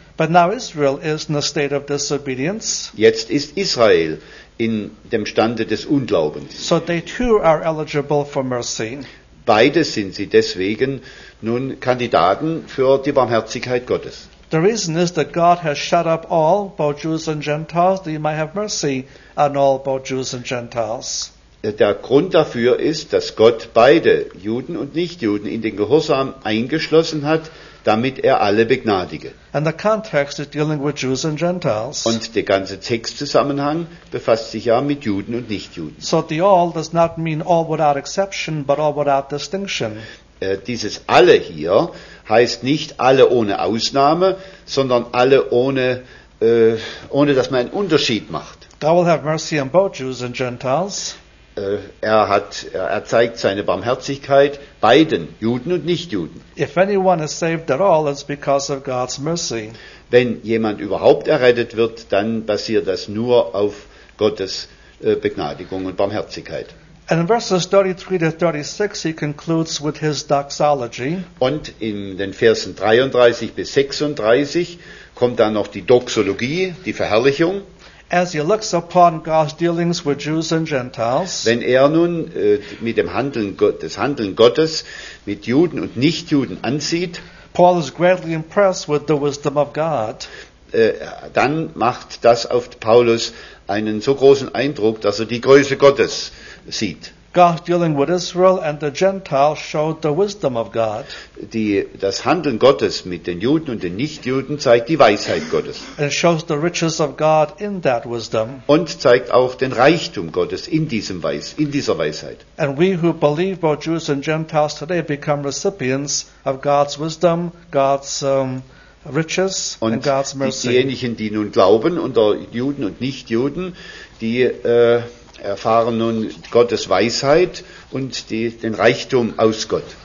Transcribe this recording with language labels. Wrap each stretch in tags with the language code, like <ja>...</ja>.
<en>But now Israel is in a state of disobedience.</en> <de>Jetzt ist Israel in dem Stande des Unglaubens.</de> <en>So they too are eligible for mercy.</en> <de>Beide sind sie deswegen nun Kandidaten für die Barmherzigkeit Gottes.</de> <en>The reason is that God has shut up all, both Jews and Gentiles, that he might have mercy on all, both Jews and Gentiles.</en> <de>Der Grund dafür ist, dass Gott beide, Juden und Nichtjuden, in den Gehorsam eingeschlossen hat, damit er alle begnadige.</de> <en>And the context is dealing with Jews and Gentiles.</en> <de>Und der ganze Textzusammenhang befasst sich ja mit Juden und Nichtjuden.</de> <en>So the all does not mean all without exception, but all without distinction.</en> <de>Dieses alle hier heißt nicht alle ohne Ausnahme, sondern alle ohne dass man einen Unterschied macht.</de> <en>God will have mercy on both Jews and Gentiles.</en> <de>Er zeigt seine Barmherzigkeit beiden, Juden und Nichtjuden.</de> <en>If anyone is saved at all, it's because of God's mercy.</en> <de>Wenn jemand überhaupt errettet wird, dann basiert das nur auf Gottes Begnadigung und Barmherzigkeit.</de> <en>And in verses 33 to 36 he concludes with his doxology.</en> <de>Und in den Versen 33 bis 36 kommt dann noch die Doxologie, die Verherrlichung.</de> <en>As he looks upon God's dealings with Jews and Gentiles,</en> <de>wenn er nun mit dem Handeln des Handeln Gottes mit Juden und Nichtjuden ansieht,</de> <en>Paul is greatly impressed with the wisdom of God.</en> <de>Dann macht das auf Paulus einen so großen Eindruck, dass er die Größe Gottes sieht.</de> <en>God dealing with Israel and the Gentiles showed the wisdom of God.</en> <de>Das Handeln Gottes mit den Juden und den Nichtjuden zeigt die Weisheit Gottes.</de> <en>And shows the riches of God in that wisdom.</en> <de>Und zeigt auch den Reichtum Gottes in dieser Weisheit.</de> <en>And we who believe both Jews and Gentiles today become recipients of God's wisdom, God's riches and God's mercy.</en> <de>Und diejenigen, die nun glauben, unter Juden und Nichtjuden, die erfahren nun Gottes Weisheit und den Reichtum aus Gott.</de>